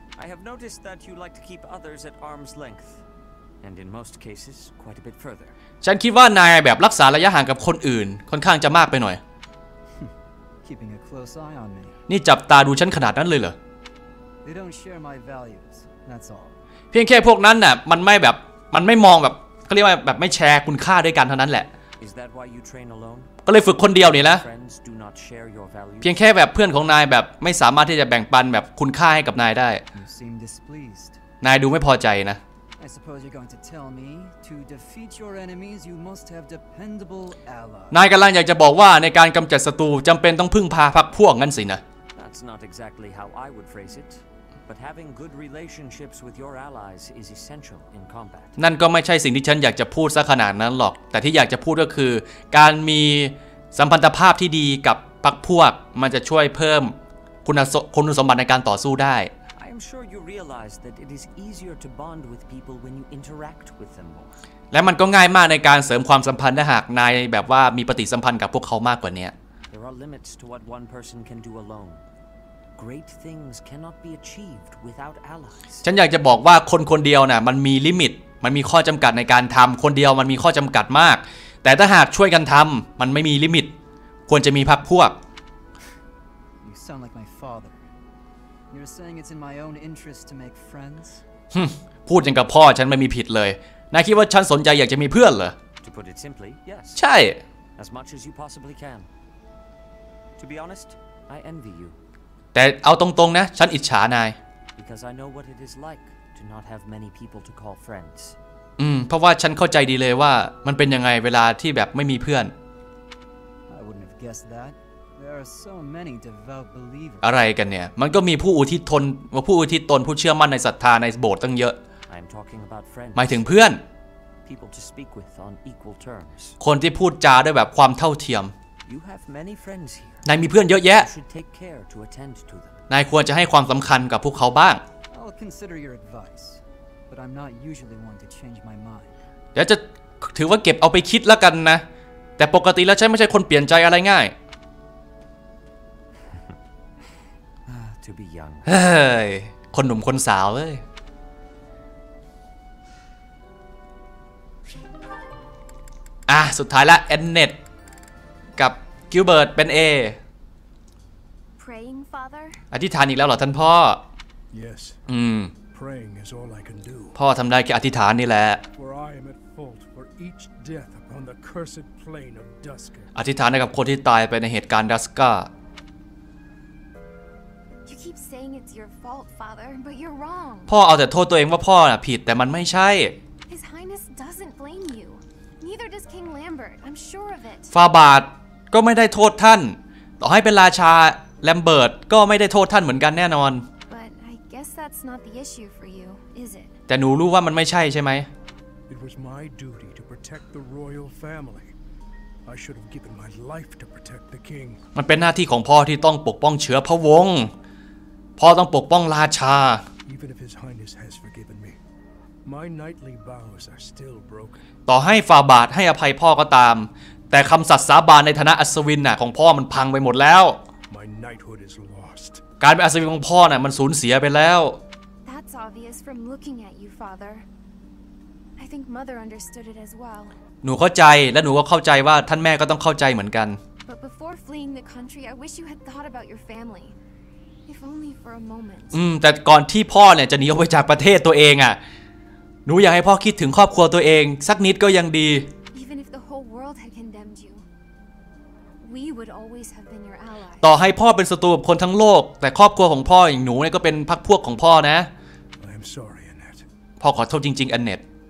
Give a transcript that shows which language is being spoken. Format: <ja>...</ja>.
<en>I have noticed that you like to keep others at arm's lengthAnd in most cases, quite a bit further.</en> <th>ฉันคิดว่านายแบบรักษาระยะห่างกับคนอื่นค่อนข้างจะมากไปหน่อย</th> <en>Keeping a close eye on me.</en> <th>นี่จับตาดูฉันขนาดนั้นเลยเหรอ</th> <en>They don't share my values. That's all.</en> <th>เพียงแค่พวกนั้นน่ะมันไม่แบบมันไม่มองแบบเขาเรียกว่าแบบไม่แชร์คุณค่าด้วยกันเท่านั้นแหละ</th> <en>Is that why you train alone?</en> <th>ก็เลยฝึกคนเดียวนี่แหละ</th> <en>Friends do not share your values.</en> <th>เพียงแค่แบบเพื่อนของนายแบบไม่สามารถที่จะแบ่งปันแบบคุณค่าให้กับนายได้</th> <en>You seem displeased.</en> <th>นายดูไม่พอใจนะ</th> <en>I suppose you're going to tell me to defeat your enemies you must have dependable allies.</en> <th>นายกำลังอยากจะบอกว่าในการกำจัดศัตรูจำเป็นต้องพึ่งพาพรรคพวกงั้นสินะ</th> <en>That's not exactly how I would phrase it, but having good relationships with your allies is essential in combat.</en> <th>นั่นก็ไม่ใช่สิ่งที่ฉันอยากจะพูดซะขนาดนั้นหรอกแต่ที่อยากจะพูดก็คือการมีสัมพันธภาพที่ดีกับพรรคพวกมันจะช่วยเพิ่มคุณสมบัติในการต่อสู้ได้</th> <en>I'm sure you realize that it is easier to bond with people when you interact with them more.</en> <th>และมันก็ง่ายมากในการเสริมความสัมพันธ์ถ้าหากนายแบบว่ามีปฏิสัมพันธ์กับพวกเขามากกว่านี้</th> <en>There are limits to what one person can do alone. Great things cannot be achieved without allies.</en> <th>ฉันอยากจะบอกว่าคนเดียวน่ะมันมีลิมิตมันมีข้อจำกัดในการทำคนเดียวมันมีข้อจำกัดมากแต่ถ้าหากช่วยกันทำมันไม่มีลิมิตควรจะมีพรรคพวก</th> <en>You sound like my fatherYou're saying it's in my own interest to make friends.</en> <th>พูดอย่างกับพ่อฉันไม่มีผิดเลยนายคิดว่าฉันสนใจอยากจะมีเพื่อนเหรอ</th> <en>To put it simply, yes.</en> <th>ใช่</th> <en>As much as you possibly can. To be honest, I envy you.</en> <th>แต่เอาตรงๆนะฉันอิจฉานาย</th> <en>Because I know what it is like to not have many people to call friends.</en> <th>เพราะว่าฉันเข้าใจดีเลยว่ามันเป็นยังไงเวลาที่แบบไม่มีเพื่อน</th> <en>I wouldn't have guessed that. There are so many devout believers.</en> <th>อะไรกันเนี่ยมันก็มีผู้อุทิศตนผู้เชื่อมั่นในศรัทธาในโบสถ์ตั้งเยอะ</th> <en>I'm talking about friends.</en> <th>หมายถึงเพื่อน</th> <en>People to speak with on equal terms.</en> <th>คนที่พูดจาด้วยแบบความเท่าเทียม</th> <en>You have many friends here.</en> <th>นายมีเพื่อนเยอะแยะ</th> <en>You should take care to attend to them.</en> <th>นายควรจะให้ความสำคัญกับพวกเขาบ้าง</th> <en>I'll consider your advice, but I'm not usually one to change my mind.</en> <th>เดี๋ยวจะถือว่าเก็บเอาไปคิดแล้วกันนะแต่ปกติแล้วใช่ไม่ใช่คนเปลี่ยนใจอะไรง่ายเฮ้ยคนหนุ่มคนสาวเว้ยสุดท้ายละเอ็นเน็ตกับกิลเบิร์ตเป็นเอ</th> <en>Praying Father</en> <th>อธิษฐานอีกแล้วเหรอท่านพ่อ</th> <en>Yes Praying is all I can do</en> <th>พ่อทำได้แค่อธิษฐานนี่แหละ</th> <en>For I am at fault for each death upon the cursed plain of Duska</en> <th>อธิษฐานให้กับคนที่ตายไปในเหตุการณ์ดัสก้า</th> <en>Keep saying it's your fault, Father, but you're wrong.</en> <th>พ่อเอาแต่โทษตัวเองว่าพ่อน่ะผิดแต่มันไม่ใช่</th> <en>His Highness doesn't blame you. Neither does King Lambert. I'm sure of it.</en> <th>ฟาบาทก็ไม่ได้โทษท่านต่อให้เป็นราชาแลมเบิร์ตก็ไม่ได้โทษท่านเหมือนกันแน่นอน</th> <en>But I guess that's not the issue for you, is it?</en> <th>แต่หนูรู้ว่ามันไม่ใช่ใช่ไหม</th> <en>It was my duty to protect the royal family. I should have given my life to protect the king.</en> <th>มันเป็นหน้าที่ของพ่อที่ต้องปกป้องเชื้อพระวงศ์พ่อต้องปกป้องราชา</th> <en>Even if his highness has forgiven me, my knightly vows are still broken.</en> <th>ต่อให้ฝ่าบาทให้อภัยพ่อก็ตามแต่คำสัตย์สาบานในฐานะอัศวินน่ะของพ่อมันพังไปหมดแล้ว</th> <en>My knighthood is lost.</en> <th>การเป็นอัศวินของพ่อน่ะมันสูญเสียไปแล้ว</th> <en>That's obvious from looking at you, father. I think mother understood it as well.</en> <th>หนูเข้าใจและหนูก็เข้าใจว่าท่านแม่ก็ต้องเข้าใจเหมือนกัน</th> <en>But before fleeing the country, I wish you had thought about your family. If only for a moment.</en> <th>แต่ก่อนที่พ่อเนี่ยจะหนีออกไปจากประเทศตัวเองอ่ะหนูอยากให้พ่อคิดถึงครอบครัวตัวเองสักนิดก็ยังดี</th> <en>Even if the whole world had condemned you, we would always have been your ally.</en> <th>ต่อให้พ่อเป็นศัตรูกับคนทั้งโลกแต่ครอบครัวของพ่ออย่างหนูเนี่ยก็เป็นพรรคพวกของพ่อนะ</th> <en>I'm sorry, Annette.</en> <th>พ่อขอโทษจริงๆ Annette</th>